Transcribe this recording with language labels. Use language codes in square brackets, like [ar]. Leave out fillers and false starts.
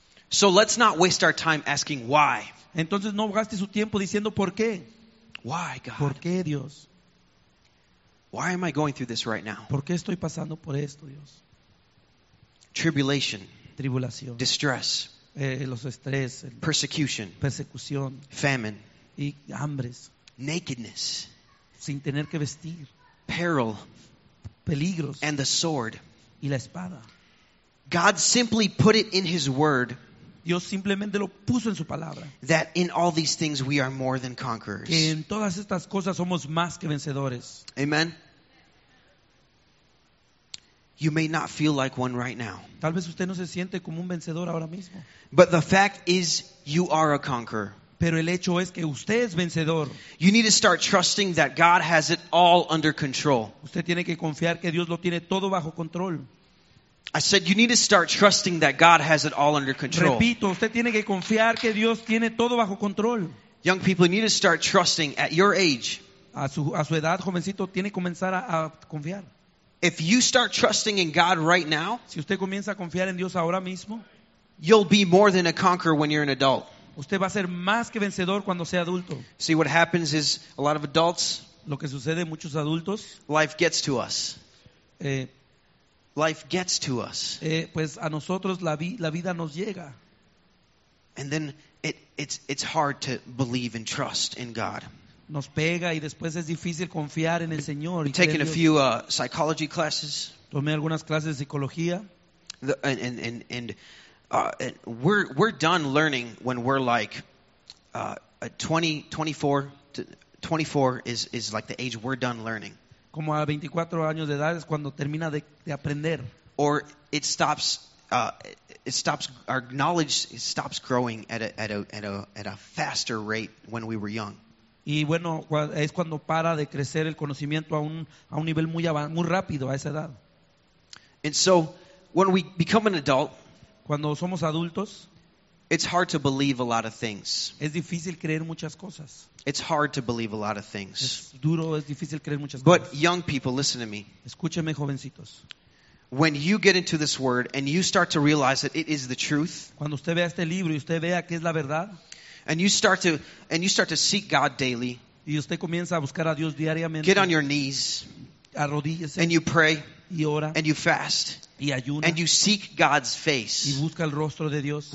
[en] So let's not waste our time asking why. [es] Entonces no gaste su tiempo diciendo por qué. [en] Why, God? [es] ¿Por qué, Dios? [en] Why am I going through this right now? [es] ¿Por qué estoy pasando por esto, Dios? [en] Tribulation, [es] tribulación, [en] distress, [es] los estrés, [en] persecution, [es] persecución, [en] famine, [es] y hambres, [en] nakedness, [es] sin tener que vestir, [en] peril, [es] peligros, [en] and the sword, [es] y la espada. [en] God simply put it in His word. [es] Dios simplemente lo puso en su palabra. [en] That in all these things we are more than conquerors. [es] Que en todas estas cosas somos más que vencedores. [en] Amen. You may not feel like one right now. [es] Tal vez usted no se siente como un vencedor ahora mismo. [en] But the fact is, you are a conqueror. [es] Pero el hecho es que usted es vencedor. [en] You need to start trusting that God has it all under control. [es] Usted tiene que confiar que Dios lo tiene todo bajo control. [en] I said you need to start trusting that God has it all under control. [es] Repito, usted tiene que confiar que Dios tiene todo bajo control. [en] Young people, you need to start trusting at your age. [es] A su edad, jovencito, tiene que comenzar a confiar. [en] If you start trusting in God right now, [es] si usted comienza a confiar en Dios ahora mismo, [en] you'll be more than a conqueror when you're an adult. [es] Usted va a ser más que vencedor cuando sea adulto. [en] See, what happens is a lot of adults, [es] lo que sucede en muchos adultos, [en] life gets to us. Life gets to us. [es] Pues a nosotros la vida nos llega. [en] And then it's hard to believe and trust in God. [es] Nos pega y después es difícil confiar en el Señor. [en] Taking a few psychology classes. [es] Tomé algunas clases de psicología. [en] And we're done learning when we're like 24 is like the age we're done learning. [es] Como a 24 años de edad es cuando termina de aprender. [en] Or it stops. It stops. Our knowledge stops growing at a faster rate when we were young. [es] Y bueno, es cuando para de crecer el conocimiento a un nivel muy rápido a esa edad. [en] And so, when we become an adult, [es] cuando somos adultos, [en] it's hard to believe a lot of things. [es] Es difícil creer muchas cosas. [en] It's hard to believe a lot of things. [es] Es duro, es difícil creer muchas [en] But [es] cosas. [en] But young people, listen to me. [es] Escúcheme, jovencitos. [en] When you get into this word and you start to realize that it is the truth, [es] cuando usted vea este libro y usted vea que es la verdad, [en] and you start to seek God daily, [es] y usted comienza a buscar a Dios diariamente, [en] get on your knees, [es] arrodíllese, [en] and you pray, [es] y ora, [en] and you fast, [es] y ayuna, [en] and you seek God's face, [es] y busca el rostro de Dios,